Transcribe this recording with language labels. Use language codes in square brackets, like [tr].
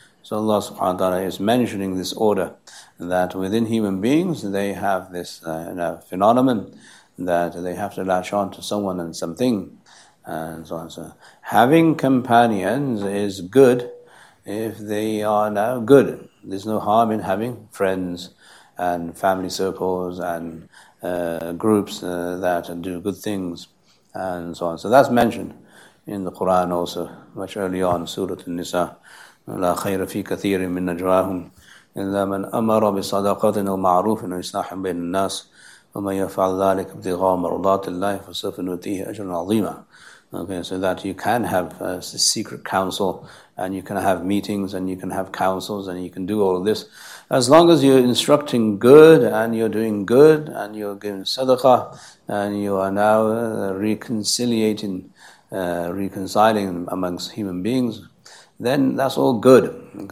[en] So Allah subhanahu wa ta'ala is mentioning this order, that within human beings, they have this phenomenon, that they have to latch on to someone and something, and so on. So having companions is good if they are now good. There's no harm in having friends and family circles and groups that do good things and so on. So that's mentioned in the Quran also, much early on, Surah An-Nisa. [ar] لا خير في كثير من نجواهم إلا من أمر بصدقة أو معروف أو إصلاح بين الناس ومن يفعل ذلك ابتغاء مرضات الله فسوف نؤتيه أجرا عظيما. [en] Okay, so that you can have a secret council, and you can have meetings, and you can have councils, and you can do all of this. As long as you're instructing good, and you're doing good, and you're giving sadaqah, and you are now reconciling amongst human beings, then that's all good.